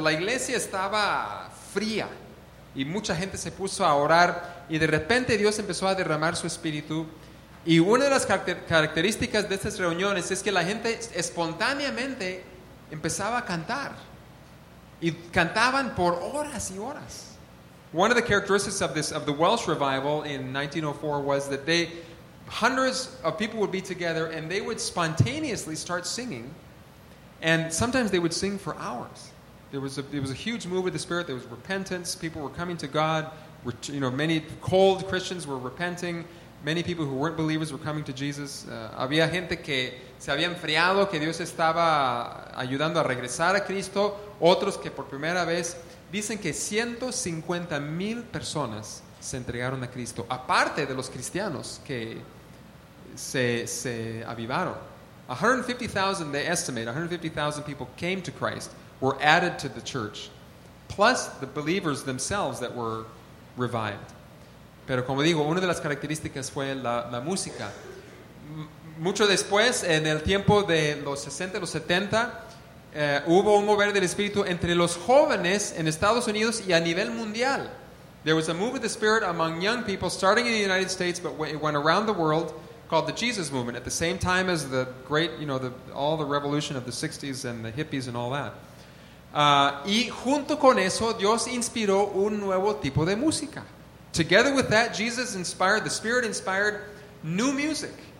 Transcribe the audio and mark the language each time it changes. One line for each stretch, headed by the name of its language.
Spanish: La iglesia estaba fría y mucha gente se puso a orar, y de repente Dios empezó a derramar su espíritu. Y una de las características de estas reuniones es que la gente espontáneamente empezaba a cantar, y cantaban por horas y horas.
English: One of the characteristics of the Welsh revival in 1904 was that hundreds of people would be together, and they would spontaneously start singing, and sometimes they would sing for hours. It was a huge move of the Spirit. There was repentance. People were coming to God. Many cold Christians were repenting. Many people who weren't believers were coming to Jesus.
Spanish: Había gente que se había enfriado, que Dios estaba ayudando a regresar a Cristo. Otros que por primera vez. Dicen que 150,000 personas se entregaron a Cristo, aparte de los cristianos que se avivaron.
English: 150,000, they estimate, 150,000 people came to Christ, were added to the church, plus the believers themselves that were revived.
Spanish: Pero como digo, una de las características fue la música. Mucho después, en el tiempo de los 60, los 70, hubo un mover del Espíritu entre los jóvenes en Estados Unidos y a nivel mundial.
English: There was a move of the Spirit among young people starting in the United States, but it went around the world, called the Jesus Movement, at the same time as the great, all the revolution of the 60s and the hippies and all that.
Spanish: Y junto con eso, Dios inspiró un nuevo tipo de música.
English: Together with that, Jesus inspired, the Spirit inspired new music.